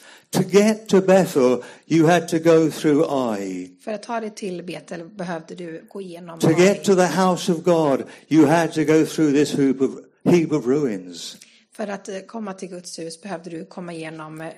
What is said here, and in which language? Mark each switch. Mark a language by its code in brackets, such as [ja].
[en] To get to Bethel you had to go through Ai. [sv] För att ta dig till Betel behövde du gå igenom [en] Ai. To get to the house of God you had to go through this heap of ruins. [sv] För att komma till Guds hus behövde du komma igenom